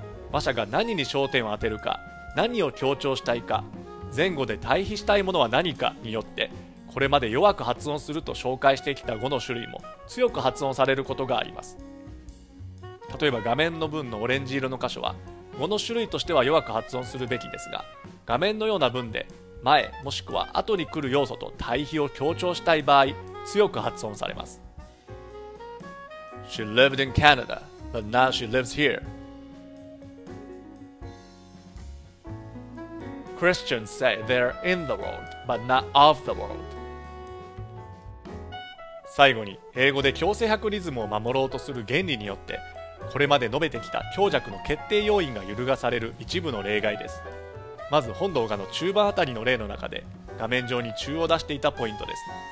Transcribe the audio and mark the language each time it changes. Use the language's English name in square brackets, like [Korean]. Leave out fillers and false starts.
[Japanese] 話者が何に焦点を当てるか、何を強調したいか、前後で対比したいものは何かによって、これまで弱く発音すると紹介してきた語の種類も強く発音されることがあります。例えば画面の文のオレンジ色の箇所は語の種類としては弱く発音するべきですが、画面のような文で前もしくは後に来る要素と対比を強調したい場合、強く発音されます。 [English] She lived in Canada, but now she lives here. Christians say they're in the world, but not of the world. [Japanese] 最後に、英語で強制拍リズムを守ろうとする原理によって、これまで述べてきた強弱の決定要因が揺るがされる一部の例外です。まず本動画の中盤あたりの例の中で、画面上に中を出していたポイントです。